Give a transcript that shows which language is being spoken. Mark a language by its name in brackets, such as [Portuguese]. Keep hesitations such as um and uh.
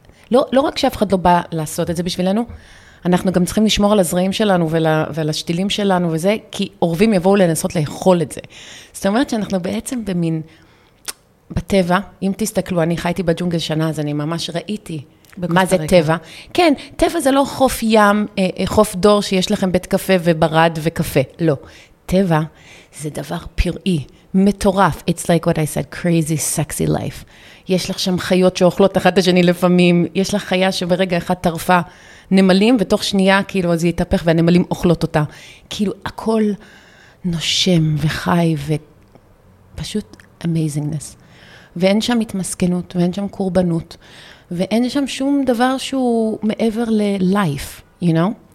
[Hebrew] לא, לא רק שאף אחד לא בא לעשות את זה בשבילנו, אנחנו גם צריכים לשמור על הזרעים שלנו ול, ועל השתילים שלנו וזה, כי אורבים יבואו לנסות לאכול את זה. זאת אומרת שאנחנו בעצם במין, בטבע, אם תסתכלו, אני חייתי בג'ונגל שנה, אז אני ממש ראיתי. בקוסטריקה. מה זה הרקע. טבע? כן, טבע זה לא חוף ים, חוף דור שיש לכם בית קפה וברד וקפה, לא. טבע זה דבר פראי, מטורף. [English] It's like what I said, crazy sexy life. [Hebrew] יש לך שם חיות שאוכלות אחת השני לפעמים, יש לך חיה שברגע אחד טרפה נמלים, ותוך שנייה כאילו אז היא והנמלים אוכלות אותה. כאילו הכל נושם וחי ופשוט amazingness. ואין שם התמסכנות ואין שם קורבנות. ואין שם שום דבר שהוא מעבר ל- [English] life, you know?